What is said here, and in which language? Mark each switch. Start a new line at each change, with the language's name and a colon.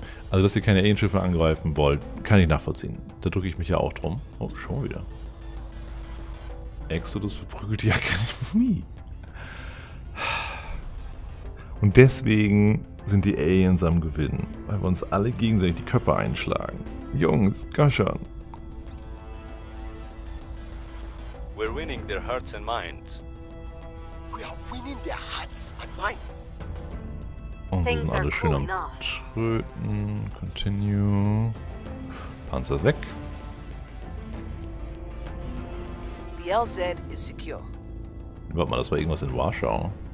German: Also, dass ihr keine Alienschiffe angreifen wollt, kann ich nachvollziehen. Da drücke ich mich ja auch drum. Oh, schon wieder. Exodus verprügelt die Akademie. Und deswegen sind die Aliens am Gewinnen. Weil wir uns alle gegenseitig die Köpfe einschlagen. Jungs, Gaschern.
English: We're winning their hearts and minds. We are winning their hearts and minds.
German: Und wir sind alle schön am Tröten. Continue. Panzer ist weg.
English: The LZ is secure.
German: Warte mal, das war irgendwas in Warschau.